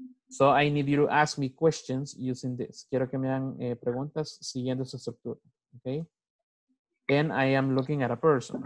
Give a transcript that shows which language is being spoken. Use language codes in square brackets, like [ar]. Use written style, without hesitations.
[en] So I need you to ask me questions using this. [es] Quiero que me hagan preguntas siguiendo esa estructura. [en] Okay, and I am looking at a person.